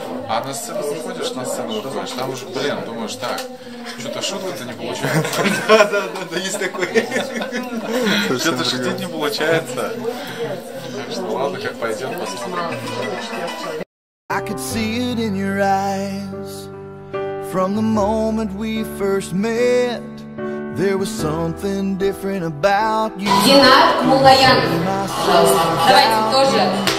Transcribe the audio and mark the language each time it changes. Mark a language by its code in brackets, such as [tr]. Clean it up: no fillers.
[ru] А на сцену выходишь, там уже, блин, думаешь, так, что-то шутка-то не получается. Да, есть такое. Что-то шутить не получается. Так что ладно, как пойдет, посмотрим. [en] I could see it in your eyes. From the moment we first met, there was something different about you. [ru] Динар Мулаян. Пожалуйста, давайте тоже.